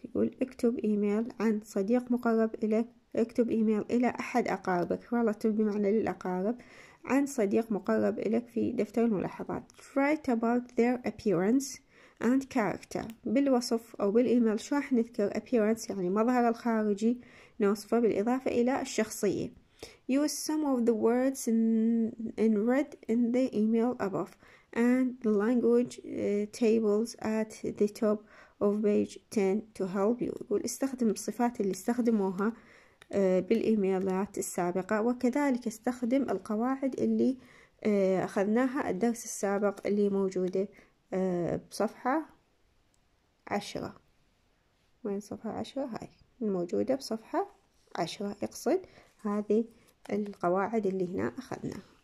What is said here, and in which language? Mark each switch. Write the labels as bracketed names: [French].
[Arabic] يقول اكتب ايميل عن صديق مقرب إليك، اكتب ايميل إلى أحد أقاربك، relative بمعنى للأقارب، عن صديق مقرب إليك في دفتر الملاحظات. [English] write about their appearance and character. [Arabic] بالوصف أو بالإيميل شو راح نذكر؟ appearance يعني مظهر الخارجي، نوصفه بالإضافة إلى الشخصية. [English] use some of the words in red in the email above and the language tables at the top of page 10 to help you. [Arabic] يقول استخدم الصفات اللي استخدموها بالإيميلات السابقة، وكذلك استخدم القواعد اللي أخذناها الدرس السابق اللي موجودة بصفحة 10. وين صفحة 10؟ هاي الموجودة بصفحة 10، يقصد هذه القواعد اللي هنا أخذناها.